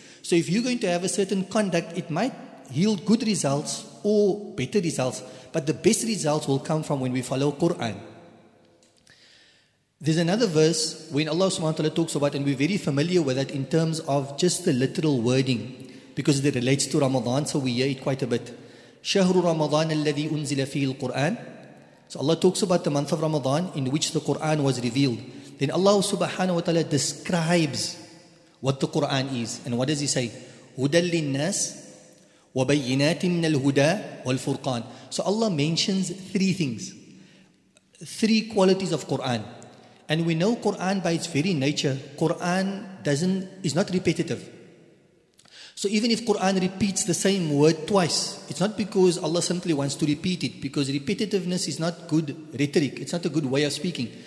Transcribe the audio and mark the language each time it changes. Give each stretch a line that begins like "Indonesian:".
English: So if you're going to have a certain conduct, it might yield good results or better results, but the best results will come from when we follow Quran. There's another verse when Allah subhanahu wa ta'ala talks about, and we're very familiar with that in terms of just the literal wording, because it relates to Ramadan, so we hear it quite a bit.
Arabic: شهر رمضان الذي أنزل فيه القرآن.
English: So Allah talks about the month of Ramadan in which the Quran was revealed. Then Allah subhanahu wa ta'ala describes what the Quran is. And what does he say?
Arabic: هدى للناس وبينات من الهدى والفرقان.
English: So Allah mentions three things, three qualities of Quran. And we know Quran by its very nature, Quran is not repetitive. So even if Quran repeats the same word twice, it's not because Allah simply wants to repeat it, because repetitiveness is not good rhetoric. It's not a good way of speaking.